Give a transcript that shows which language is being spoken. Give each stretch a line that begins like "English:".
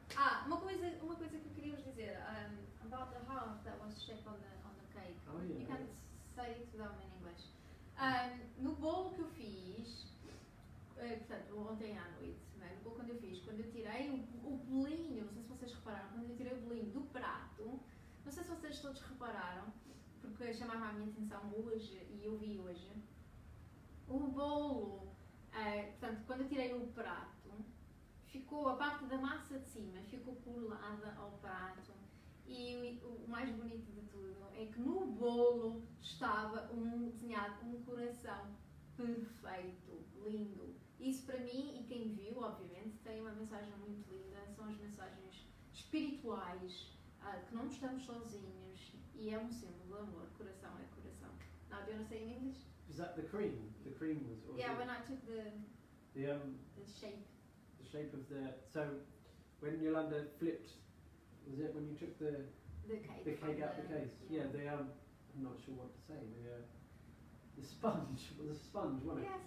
Portuguese: Ah, uma coisa que eu queria vos dizer.
English: About the half that was shaped on the cake. Oh, yeah. You can't say it without me in English.
Portuguese: No bolo que eu fiz, portanto, ontem à noite, né, no bolo quando eu fiz, quando eu tirei o bolinho, não sei se vocês repararam, quando eu tirei o bolinho do prato, não sei se vocês todos repararam, porque chamava a minha atenção hoje e eu vi hoje, o bolo, portanto, quando eu tirei o prato, ficou a parte da massa de cima, ficou colada ao prato e o mais bonito de tudo é que no bolo estava um coração perfeito, lindo. Isso para mim, e quem viu, obviamente, tem uma mensagem muito linda, são as mensagens espirituais, que não estamos sozinhos, e é um símbolo de amor, coração é coração.
English: Now, do you want to say in English? Is that the cream? The cream was... Yeah, when I took the shape. The shape of the... So, when Yolanda flipped, was it when you took the cake out of the case? Yeah, I'm not sure what to say. The sponge was a sponge, wasn't it?